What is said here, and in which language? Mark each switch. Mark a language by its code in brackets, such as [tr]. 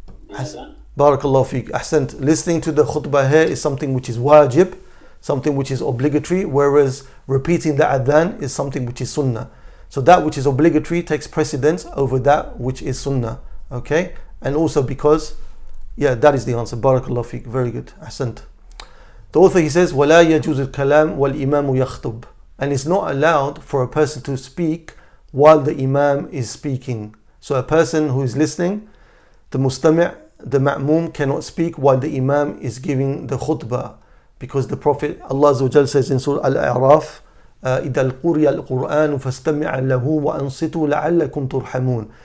[en] Barakallahu fiqh. Ahsant. Listening to the khutbah here is something which is wajib, something which is obligatory, whereas repeating the adhan is something which is sunnah. So that which is obligatory takes precedence over that which is sunnah, okay? And also because, yeah, that is the answer. Barakallahu fiqh. Very good. Ahsant. [ar] The author, he says, وَلَا يَجُوزُ الْكَلَامُ وَالْإِمَامُ يَخْطُبُ. [en] And it's not allowed for a person to speak while the imam is speaking. So a person who is listening, the mustami', the ma'mum, cannot speak while the imam is giving the khutbah. Because the Prophet, Allah says in Surah Al-A'raf, [ar] إِذَا الْقُرِيَ الْقُرْآنُ فَاسْتَمِعَ لَهُ وَأَنْصِتُوا لَعَلَّكُمْ تُرْحَمُونَ.